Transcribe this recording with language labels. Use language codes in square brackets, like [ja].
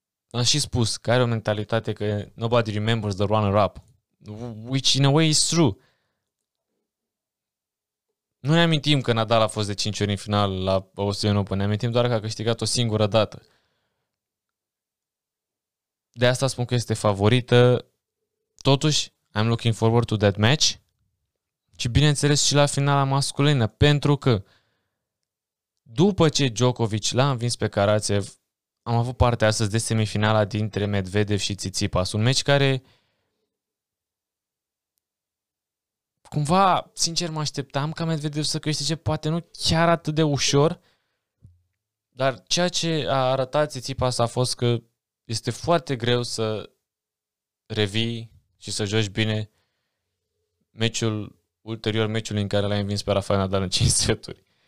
[ro] Am și spus că are o mentalitate că [en] nobody remembers the runner-up, which in a way is true. [ro] Nu ne amintim că Nadal a fost de 5 ori în final la Australian Open, ne amintim doar că a câștigat o singură dată. De asta spun că este favorită. Totuși, [en] I'm looking forward to that match. [ro] Și bineînțeles și la finala masculină, pentru că după ce Djokovic l-a învins pe Karatsev, am avut parte astăzi de semifinala dintre Medvedev și Tsitsipas. Un match care, cumva, sincer, mă așteptam ca Medvedev să câștige, poate nu chiar atât de ușor, dar ceea ce a arătat Tsitsipas a fost că este foarte greu să revii și să joci bine meciul ulterior, meciul în care l-a învins pe Rafael Nadal în 5 seturi.